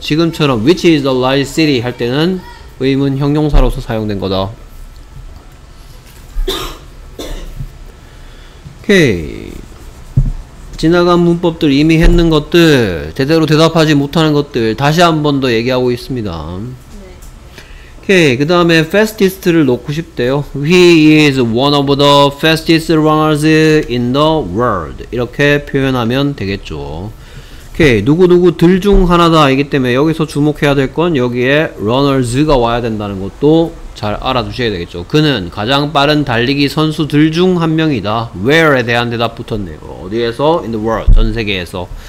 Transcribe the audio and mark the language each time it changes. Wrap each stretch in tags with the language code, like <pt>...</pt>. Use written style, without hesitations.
<ko>지금처럼</ko> <en>which is the large city</en> <ko>할 때는 의문 형용사로서 사용된 거다. 오케이. 지나간 문법들, 이미 했는 것들, 제대로 대답하지 못하는 것들 다시 한 번 더 얘기하고 있습니다. 그 다음에 fastest를 놓고 싶대요.</ko> <en>He is one of the fastest runners in the world.</en> <ko>이렇게 표현하면 되겠죠. 오케이. 누구누구 들 중 하나다. 이기 때문에 여기서 주목해야 될 건 여기에 runners가 와야 된다는 것도 잘 알아두셔야 되겠죠. 그는 가장 빠른 달리기 선수들 중 한 명이다. Where에 대한 대답 붙었네요. 어디에서?</ko> <en>In the world.</en> <ko>전 세계에서.</ko>